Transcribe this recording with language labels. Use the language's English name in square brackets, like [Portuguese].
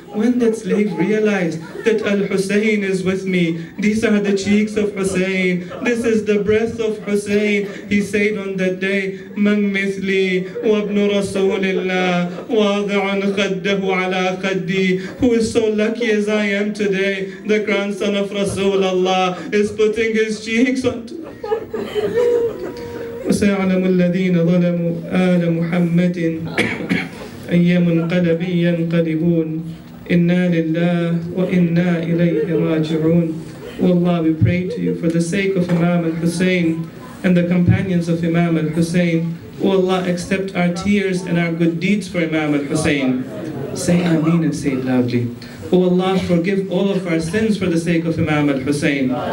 [English] When that slave realized that Al-Hussein is with me, these are the cheeks of Hussein, this is the breath of Hussein, he said on that day, [Arabic] "Man mithli wa ibn Rasulillah wadhi'an khaddahu ala khaddi." [English] Who is so lucky as I am today, the grandson of Rasulullah is putting his cheeks on. [Arabic] وسيعلم الذين ظلموا آل محمد أيام قلبيا قلبون إنا لله وإنا إليه راجعون. [English] Wallah, we pray to you for the sake of Imam al-Hussein and the companions of Imam al-Hussein. O Allah, accept our tears and our good deeds for Imam al-Husayn. Say Ameen and say it loudly. O Allah, forgive all of our sins for the sake of Imam al-Husayn.